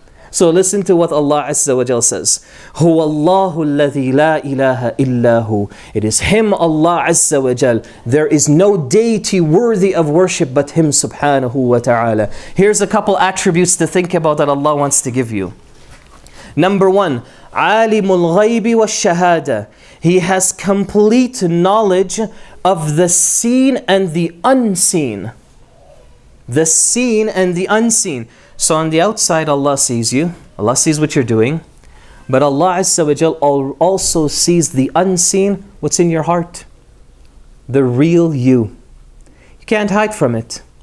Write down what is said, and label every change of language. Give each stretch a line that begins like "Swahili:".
English: So listen to what Allah Azza wa Jal says.
Arabic: هُوَ اللَّهُ الَّذِي لَا إِلَٰهَ إِلَّا هُ.
English: It is Him, Allah Azza wa Jal. There is no deity worthy of worship but Him, subhanahu wa ta'ala. Here's a couple attributes to think about that Allah wants to give you. Number one,
Arabic: عَالِمُ الْغَيْبِ وَالشَّهَادَةِ.
English: He has complete knowledge of the seen and the unseen. The seen and the unseen. So on the outside, Allah sees you. Allah sees what you're doing. But Allah Azza wa Jal also sees the unseen, what's in your heart. The real you. You can't hide from it.